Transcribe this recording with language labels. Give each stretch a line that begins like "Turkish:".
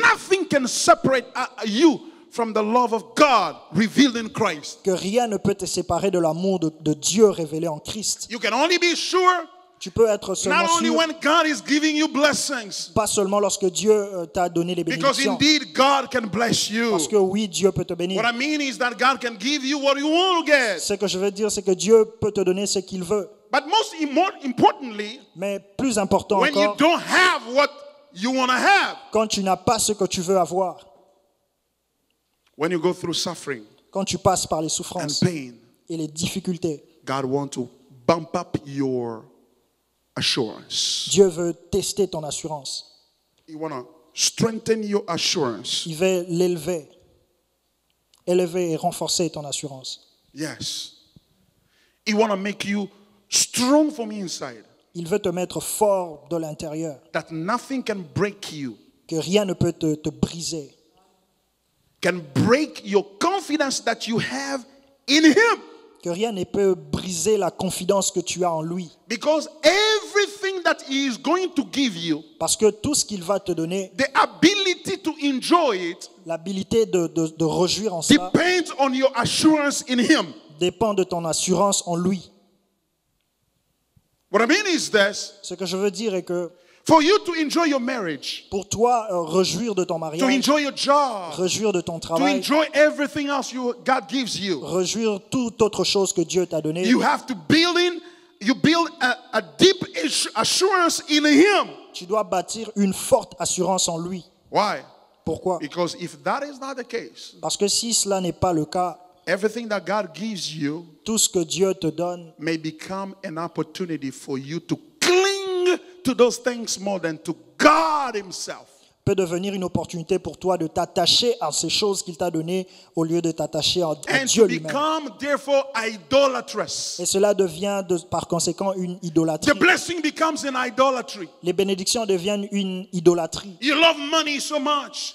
English: That nothing can separate you from the love of God revealed in Christ.
French: Que rien ne peut te séparer de l'amour de Dieu révélé en Christ.
English: You can only be sure.
French: Tu peux être seulement
English: not only
French: sûr,
English: when God is giving you blessings,
French: pas seulement lorsque Dieu t'a donné les bénédictions.
English: Because indeed God can bless you.
French: Parce que oui, Dieu peut te bénir.
English: What I mean is that God can give you what you want to get.
French: Ce que je veux dire, c'est que Dieu peut te donner ce qu'il veut.
English: But most importantly,
French: mais plus important
English: when
French: encore,
English: you don't have what you want to have,
French: quand tu n'as pas ce que tu veux avoir,
English: when you go through suffering,
French: quand tu passes par les souffrances
English: and pain,
French: et les difficultés,
English: God wants to bump up your assurance.
French: Dieu veut tester ton assurance.
English: He wanna strengthen your assurance.
French: Il veut l'élever. Élever et renforcer ton assurance.
English: Yes. He wanna make you strong from inside.
French: Il veut te mettre fort de l'intérieur.
English: That nothing can break you.
French: Que rien ne peut te briser.
English: Can break your confidence that you have in him.
French: Que rien ne peut briser la confiance que tu as en lui.
English: Because everything that he is going to give you,
French: parce que tout ce qu'il va te donner,
English: the ability to enjoy it,
French: l'habilité de rejouir en ça,
English: depends on your assurance in him.
French: Dépend de ton assurance en lui.
English: What I mean is this,
French: ce que je veux dire est que
English: for you to enjoy your marriage,
French: pour toi rejouir de ton mariage,
English: to enjoy your job,
French: rejouir de ton travail,
English: to enjoy everything else you, God gives you,
French: rejouir toute autre chose que Dieu t'a donné,
English: you have to build in, you build a deep assurance in him.
French: Tu dois bâtir une forte assurance en lui.
English: Why?
French: Pourquoi?
English: Because if that is not the case,
French: parce que si cela n'est pas le cas,
English: everything that God gives you,
French: tout ce que Dieu te donne,
English: may become an opportunity for you to cling to those things more than to God himself.
French: Peut devenir une opportunité pour toi de t'attacher à ces choses qu'il t'a données au lieu de t'attacher à Dieu lui-même.
English: And become therefore idolatrous.
French: Et cela devient par conséquent une idolâtrie.
English: The blessing becomes an idolatry.
French: Les bénédictions deviennent une idolâtrie.
English: You love money so much.